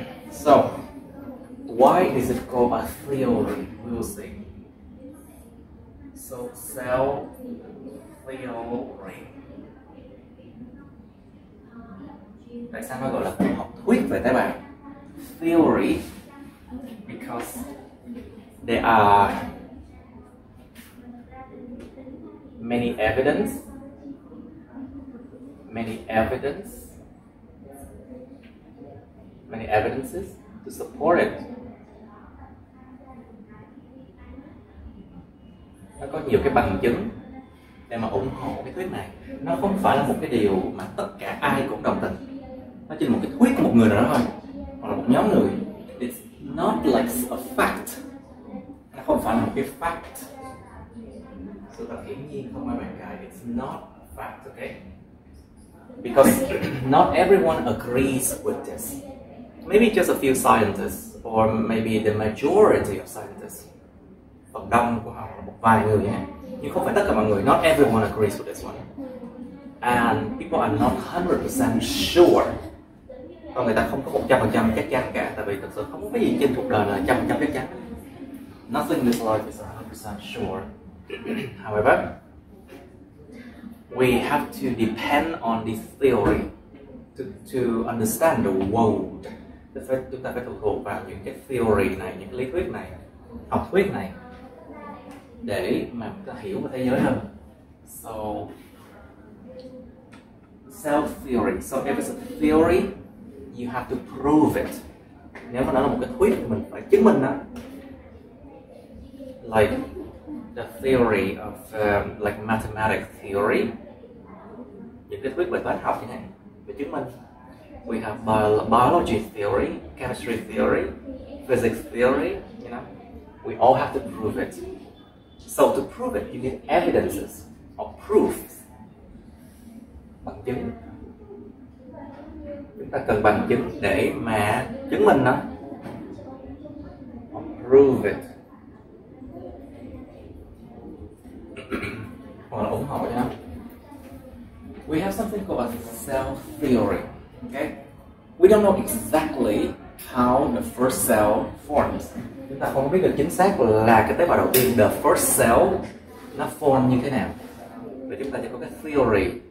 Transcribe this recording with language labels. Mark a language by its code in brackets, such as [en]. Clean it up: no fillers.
[en] So, why is it called a theory? We'll see. So, cell theory. [vi] Tại sao nó gọi là học thuyết về tế bào? [en] Theory, because there are many evidences to support it. [vi] Nó có nhiều cái bằng chứng để mà ủng hộ cái thuyết này. Nó không phải là một cái điều mà tất cả ai cũng đồng tình. Nó chỉ là một cái thuyết của một người nào đó thôi, hoặc là một nhóm người. [en] It's not like a fact. [vi] Nó không phải là một cái fact. Sự thật hiển nhiên không ai bàn cãi. [en] It's not a fact, okay? Because not everyone agrees with this. Maybe just a few scientists, or maybe the majority of scientists. [vi] Phần đông của họ là một vài người nhé. Nhưng không phải tất cả mọi người. [en] Not everyone agrees with this one. And people are not 100% sure. [vi] Còn người ta không có 100% chắc chắn cả. Tại vì thực sự không có gì trên cuộc đời là 100% chắc chắn. [en] Nothing in this life is 100% sure. However, we have to depend on this theory to understand the world. [vi] Chúng ta phải thuộc thuộc vào những cái theory này, những cái lý thuyết này, học thuyết này, để mà chúng ta hiểu về thế giới hơn. [en] So, self-theory. So if it's a theory, you have to prove it. [vi] Nếu mà nó là một cái thuyết, mình phải chứng minh nó. [en] Like the theory of like mathematics theory. [vi] Những cái thuyết về toán học như thế này, phải chứng minh. [en] We have biology theory, chemistry theory, physics theory, you know. We all have to prove it. So to prove it, you need evidences or proofs. [vi] Bằng chứng. Chúng ta cần bằng chứng để mà chứng minh nó. [en] Or prove it. [vi] Hoặc là ủng hộ nhé. [en] We have something called a cell theory, okay? We don't know exactly how the first cell forms. [vi] Chúng ta không biết được chính xác là cái tế bào đầu tiên, [en] the first cell, [vi] nó form như thế nào. Vậy chúng ta sẽ có cái theory.